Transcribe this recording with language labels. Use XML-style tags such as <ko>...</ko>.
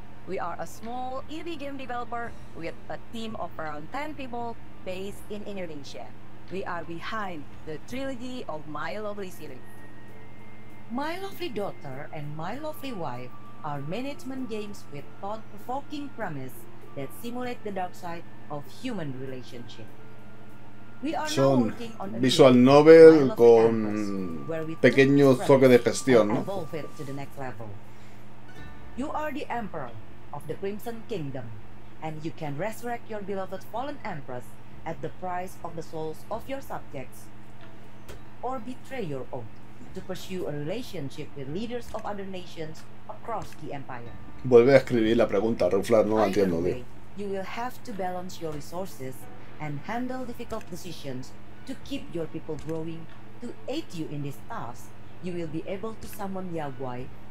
<en>We are a small indie game developer with a team of around 10 people based in Indonesia. We are behind the trilogy of My Lovely series. My Lovely Daughter and My Lovely Wife are management games with thought-provoking premise that simulate the dark side of human relationship.</en> <es>Son visual novel con pequeño toque de gestión, ¿no?</es> <en>You are the emperor of the Crimson Kingdom, and you can resurrect your beloved fallen empress at the price of the souls of your subjects, or betray your own to pursue a relationship with leaders of other nations across the empire.</en> <es>Vuelve a escribir la pregunta, Ruflar, no entiendo.</es> <en>You will have to balance your resources. and handle difficult decisions to keep your people growing to aid you in this task, you will be able to summon Yagwai.</en>